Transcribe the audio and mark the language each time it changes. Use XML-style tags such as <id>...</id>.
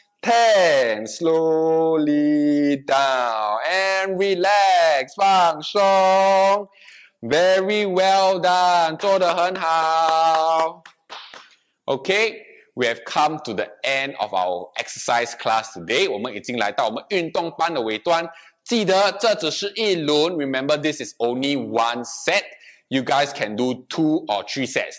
<en>Ten, slowly down. And relax,</en> <zh>放松.</zh> <en>Very well done.</en> <zh>做得很好.</zh> <en>Okay, we have come to the end of our exercise class today.</en> <zh>我们已经来到我们运动班的尾端。记得这只是一轮.</zh> <en>Remember, this is only one set. You guys can do two or three sets.</en>